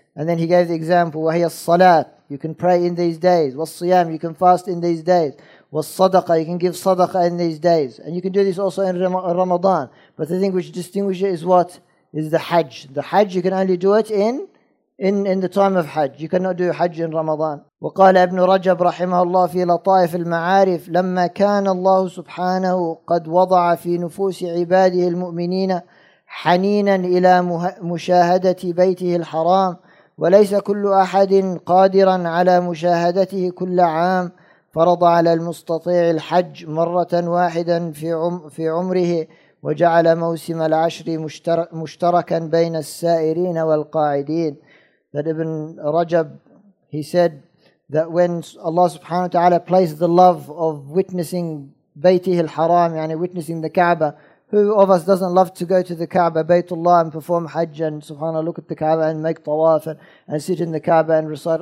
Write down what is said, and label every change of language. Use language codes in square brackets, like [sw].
[en] And then he gave the example, [ar] وَهِيَ الصَّلَاةِ, [en] you can pray in these days, وَالصِّيَامِ, you can fast in these days, والصدقة, you can give sadaqah in these days. And you can do this also in Ramadan. But the thing which distinguishes it is what? Is the Hajj. The Hajj, you can only do it in the time of Hajj. You cannot do Hajj in Ramadan. [ar] وقال ابن رجب رحمه الله في لطائف المعارف لما كان الله سبحانه قد وضع في نفوس عباده المؤمنين حنينا إلى مشاهدة بيته الحرام وليس كل أحد قادرا على مشاهدته كل عام فرض على المستطيع الحج مرة واحدا في عمره وجعل موسم العشر مشتركا بين السائرين والقاعدين. [en] That Ibn Rajab, he said that when Allah subhanahu wa ta'ala placed the love of witnessing baytihi al-haram, yani witnessing the Kaaba, who of us doesn't love to go to the Kaaba, baytullah, and perform hajj and subhanAllah, look at the Kaaba and make tawaf and sit in the Kaaba and recite.